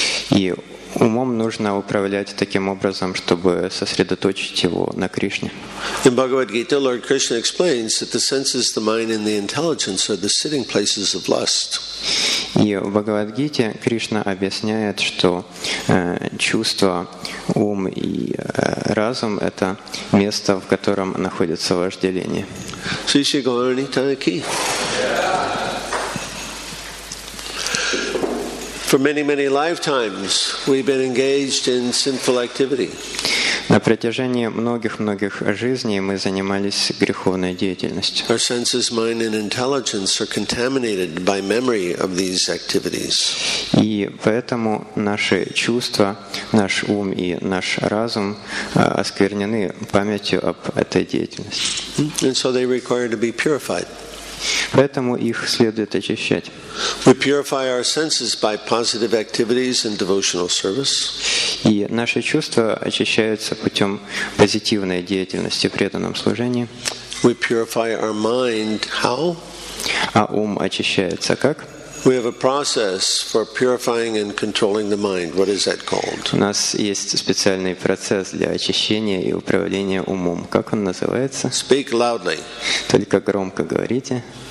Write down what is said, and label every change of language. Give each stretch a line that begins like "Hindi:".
Russian: И умом нужно управлять таким образом, чтобы сосредоточить его на Кришне.
English: In Bhagavad Gita, Lord Krishna explains that the senses, the mind, and the intelligence are the sitting places of lust.
Russian: И в Бхагавад-гите Кришна объясняет, что чувства, ум и разум – это место, в котором находится вожделение. Сиши Гаурани Танаки.
English: For many, many lifetimes, we've been engaged in sinful activity.
Russian: На протяжении многих-многих жизней мы занимались греховной деятельностью.
English: Our senses, mind, and intelligence are contaminated by memory of these activities.
Russian: И поэтому наши чувства, наш ум и наш разум осквернены памятью об этой деятельности.
English: And so they require to be purified.
Russian: Поэтому их следует очищать.
English: We purify our senses by positive activities and devotional service.
Russian: И наши чувства очищаются путем позитивной деятельности в преданном служении.
English: We purify our mind how?
Russian: А ум очищается как?
English: We have a process for purifying and controlling the mind. What is that called?
Russian: У нас есть специальный процесс для очищения и управления умом. Как он называется?
English: Speak loudly.
Russian: Только громко говорите.